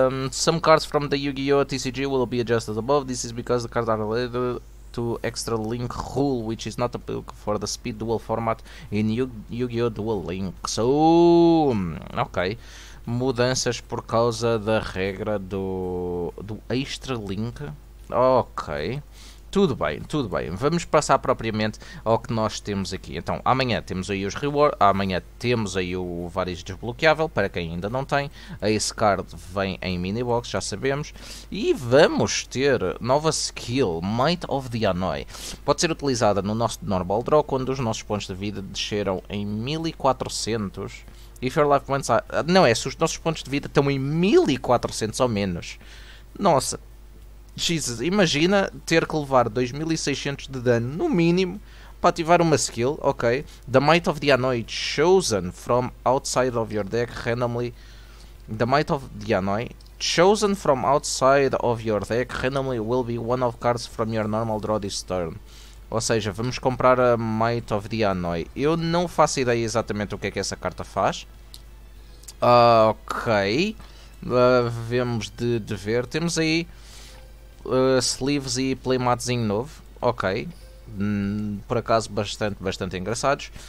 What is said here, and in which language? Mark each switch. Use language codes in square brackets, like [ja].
[en] Some cards from the Yu-Gi-Oh! TCG will be adjusted above. This is because the cards are related to extra link rule, which is not applicable for the speed duel format in Yu-Gi-Oh! Duel Links. Ok. [pt] Mudanças por causa da regra do extra link. Ok. Tudo bem, tudo bem. Vamos passar propriamente ao que nós temos aqui. Então, amanhã temos aí os rewards, amanhã temos aí o Varis desbloqueável, para quem ainda não tem. A esse card vem em minibox, já sabemos. E vamos ter nova skill, Might of the Anoi. Pode ser utilizada no nosso normal draw, quando os nossos pontos de vida desceram em 1400. [en] If your life points are... [pt] Não é, se os nossos pontos de vida estão em 1400 ou menos. Nossa... Jesus, imagina ter que levar 2600 de dano, no mínimo, para ativar uma skill, ok? [en] The Might of the Anoi chosen from outside of your deck randomly... The Might of the Anoi chosen from outside of your deck randomly will be one of cards from your normal draw this turn. [pt] Ou seja, vamos comprar a Might of the Anoi. Eu não faço ideia exatamente o que é que essa carta faz. Ok. Vemos de ver. Temos aí... sleeves e playmatzinho novo, ok, por acaso bastante engraçados.